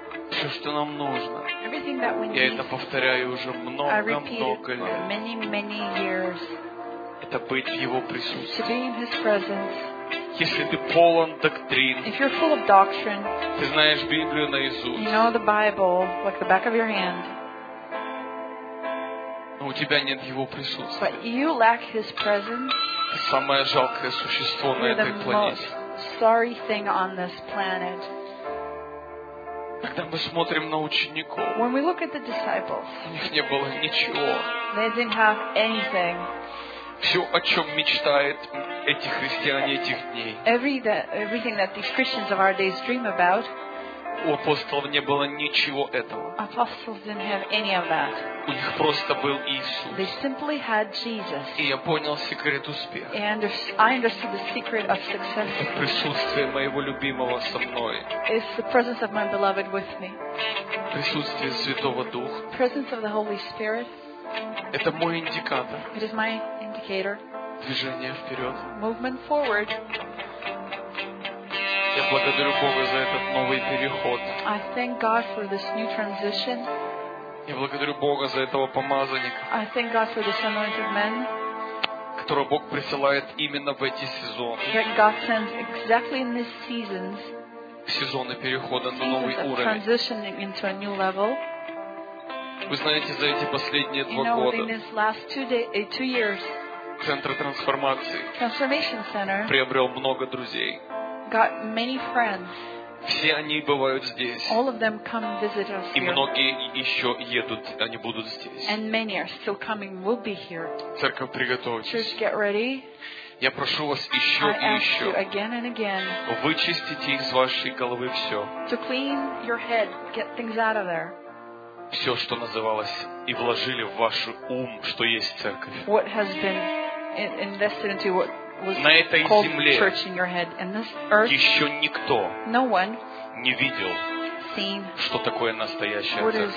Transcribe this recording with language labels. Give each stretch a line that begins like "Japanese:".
Russian: Все, что нам нужно,
English: everything that we need,
Russian: я это повторяю уже много-много лет.
English: Many, many years.
Russian: Это быть в Его присутствии.
English: To be in His presence.
Russian: Если ты полон доктрин,
English: if you're full of doctrine,
Russian: ты знаешь Библию наизусть,
English: you know the Bible like the back of your hand,
Russian: но у тебя нет Его присутствия,
English: but you lack His presence,
Russian: ты самое жалкое существо на этой планете.
English: You're the most sorry thing on this planet.
Russian: Когда мы смотрим на учеников,
English: when we look at the disciples,
Russian: у них не было ничего.
English: They didn't have anything.
Russian: Все, о чем мечтают эти христиане этих дней.
English: Everything that these Christians of our days dream about.
Russian: У апостолов не было ничего этого.
English: Apostles didn't have any of that.
Russian: У них просто был Иисус.
English: They simply had Jesus.
Russian: И я понял секрет успеха.
English: And I understood the secret of success.
Russian: Это присутствие моего любимого со мной.
English: It's the presence of my beloved with me.
Russian: Присутствие Святого Духа.
English: Presence of the Holy Spirit.
Russian: Это мой индикатор.
English: It is my indicator.
Russian: Движение вперед.
English: Movement forward.
Russian: Я благодарю Бога за этот новый переход.
English: I thank God for this new transition.
Russian: Я благодарю Бога за этого помазанника.
English: I thank God for this anointed man.
Russian: Которого Бог присылает именно в эти сезоны.
English: That God sends exactly in these seasons.
Russian: Сезоны перехода на новый уровень.
English: Transitioning into a new level.
Russian: Вы знаете, за эти последние два года,
English: within this last two years,
Russian: Центр трансформации
English: Transformation Center
Russian: приобрел много друзей.
English: Got many friends.
Russian: Все они бывают здесь.
English: All of them come visit us
Russian: и
English: here.
Russian: Многие еще едут, они будут здесь.
English: And many are still coming, will be here.
Russian: Церковь, приготовьтесь.
English: Church, get ready.
Russian: Я прошу вас еще
English: I
Russian: и еще
English: again and again
Russian: вычистите из вашей головы все.
English: To clean your head, get things out of there.
Russian: Все, что называлось, и вложили в ваш ум, что есть церковь.
English: What has been invested into what was
Russian: на этой земле
English: church in your head. In this earth,
Russian: еще никто
English: no one
Russian: не видел,
English: seen
Russian: что такое настоящая
English: what
Russian: церковь.